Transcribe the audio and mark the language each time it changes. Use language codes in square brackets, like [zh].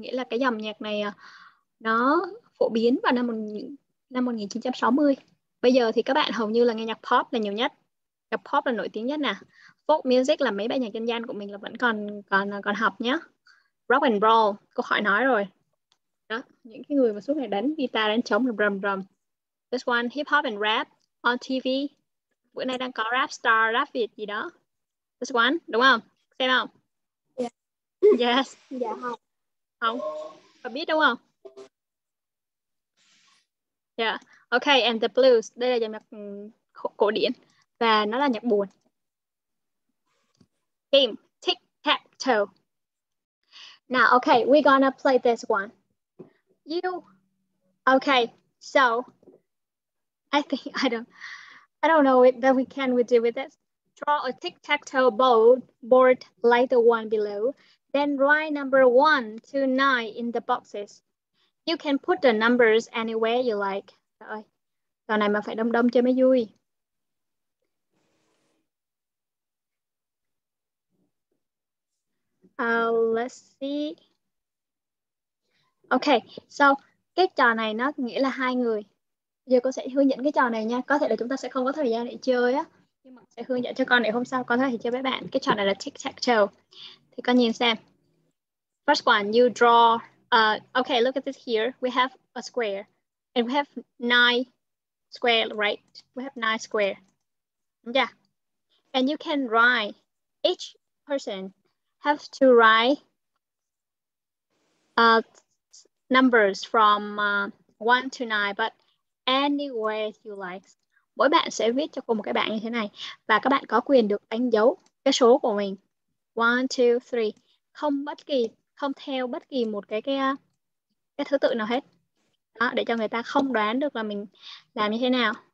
[vi] Nghĩa là cái dòng nhạc này nó phổ biến vào năm 1960. Bây giờ thì các bạn hầu như là nghe nhạc pop là nhiều nhất. Nhạc pop là nổi tiếng nhất nè. Folk music là mấy bài nhạc dân gian của mình là vẫn còn học nhá. Rock and roll. Cô khỏi nói rồi. Đó, những cái người mà suốt ngày đánh guitar đánh trống rầm rầm. [en] This one, hip hop and rap on TV. [vi] Bữa nay đang có rap star, rap Việt gì đó. This one, đúng không? Xem không? Yeah. Yes. Dạ không. Không. Có biết đúng không? [en] Yeah. Okay, and the blues. [vi] Đây là dòng nhạc cổ điển và nó là nhạc buồn. [en] Game, tic tac toe. Now, okay, we're gonna play this one. You okay, so I think I don't know it that we can we do with this. Draw a tic-tac-toe board like the one below, then write number 1 to 9 in the boxes. You can put the numbers anywhere you like. [vi] Rồi. Giờ này mà phải đông đông chơi mới vui. [en] Let's see. [vi] Ok, so cái trò này nó nghĩa là hai người. Giờ cô sẽ hướng dẫn cái trò này nha. Có thể là chúng ta sẽ không có thời gian để chơi á. Nhưng mà sẽ hướng dẫn cho con để hôm sau con có thể chơi với bạn. Cái trò này là tic-tac-toe. Thì con nhìn xem. [en] First one, you draw. Ok, look at this here. We have a square. And we have 9 square, right? We have 9 square. Yeah. And you can write. Each person have to write numbers from 1 to 9, but anywhere you like. [vi] Mỗi bạn sẽ viết cho cô một cái bảng như thế này và các bạn có quyền được đánh dấu cái số của mình. 1, 2, 3, không theo bất kỳ một cái thứ tự nào hết. Đó, để cho người ta không đoán được là mình làm như thế nào.